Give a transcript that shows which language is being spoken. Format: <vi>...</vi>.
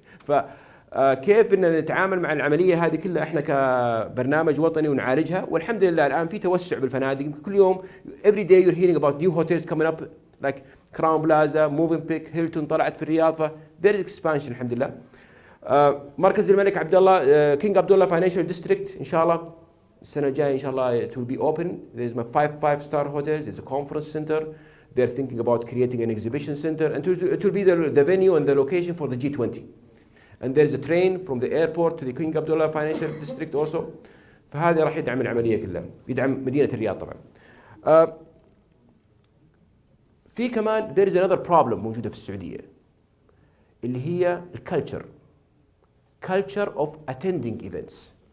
<ar>فكيف ان نتعامل مع العملية هذه كلها احنا كبرنامج وطني ونعالجها؟ والحمد لله الان في توسع بالفنادق. كل يوم</ar> <en>every day you're hearing about new hotels coming up like Crowne Plaza, Movenpick, Hilton</en> <ar>طلعت في الرياضة،</ar> <en>there is expansion</en> <ar>الحمد لله. مركز الملك عبد الله، كينج عبد الله فاينانشال ديستريكت، إن شاء الله السنة الجاية إن شاء الله</ar> <en>it will be open. There is my 5 5-star hotels, there is a conference center, they are thinking about creating an exhibition center, and it will be the venue and the location for the G20. And there is a train from the airport to the King عبد الله financial district also.</en> <ar>فهذا راح يدعم العملية كلها، يدعم مدينة الرياض طبعا. في كمان</ar> <en>there is another problem</en> <ar>موجودة في السعودية اللي هي</ar> <en>culture of attending events.</en>